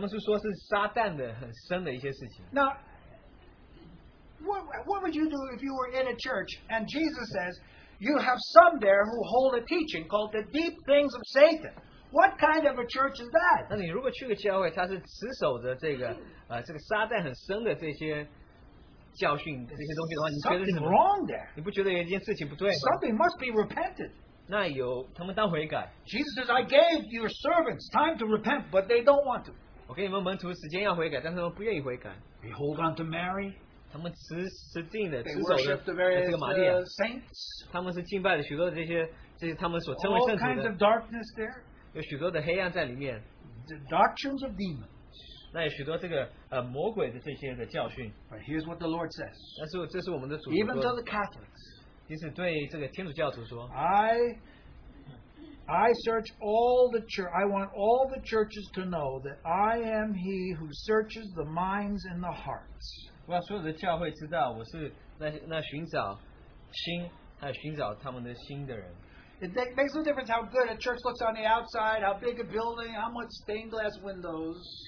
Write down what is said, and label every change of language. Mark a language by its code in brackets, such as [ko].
[zh] 那这个，他们是说是撒旦的很深的一些事情。 [en] Now, what would you do if you were in a church and Jesus says you have some there who hold a teaching called the deep things of Satan? What kind of a church is that? [zh] 那你如果去个教会，他是持守着这个撒旦很深的这些。教训这些东西的话，你觉得什么？ [en] Something must be repented. [zh] 那有他们当悔改。Jesus [en] says, "I gave your servants time to repent, but they don't want to." [zh] 我给你们门徒时间要悔改，但是他们不愿意悔改。 [en] They hold on to Mary. [zh] 他们持定的持守着这个玛利亚。 [en] Saints. [zh] 他们是敬拜了许多的这些他们所称为圣徒的。 [en] All kinds of darkness there. [zh] 有许多的黑暗在里面。 [en] The doctrines of demons. [zh] 那有许多这个魔鬼的这些的教训. [en] But here's what the Lord says. [zh] 但是这是我们的主说, [en] even to the Catholics, [zh] 即使对这个天主教徒说, [en] I search all the church. I want all the churches to know that I am He who searches the minds and the hearts. [zh] 我要所有的教会知道我是那寻找心还有寻找他们的心的人. [en] It makes no difference how good a church looks on the outside, how big a building, how much stained glass windows.